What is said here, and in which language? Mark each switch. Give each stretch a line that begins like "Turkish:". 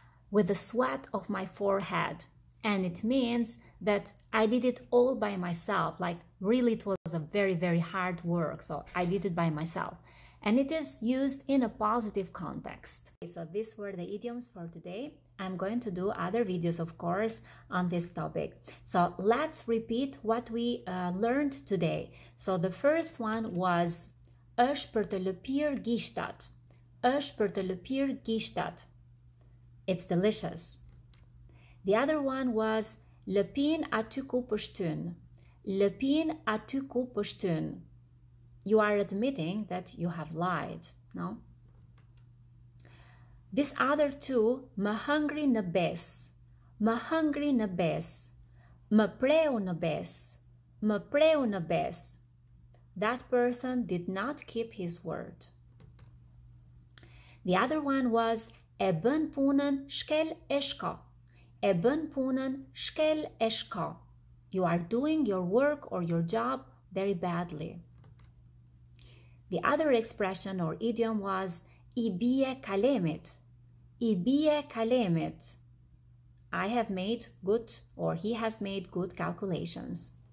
English: With the sweat of my forehead. And it means that I did it all by myself. Like, really, it was a very, very hard work. So I did it by myself. And it is used in a positive context. Okay, so these were the idioms for today. I'm going to do other videos, of course, on this topic. So let's repeat what we learned today. So the first one was
Albanian: është për të lëpir gishtat. Është për të lëpir gishtat.
English: It's delicious. The other one was
Albanian: lëpin aty ku pështyn. Lëpin aty ku pështyn.
English: You are admitting that you have lied, no? This other two,
Albanian: më hëngri në bes, më hëngri në bes, më preu në bes, më preu në bes.
English: That person did not keep his word. The other one was,
Albanian: e bën punën shkel e shko,
English: e bën punën shkel e shko. You are doing your work or your job very badly. The other expression or idiom was
Albanian: I bie kalemit. I bie kalemit.
English: I have made good, or he has made good calculations.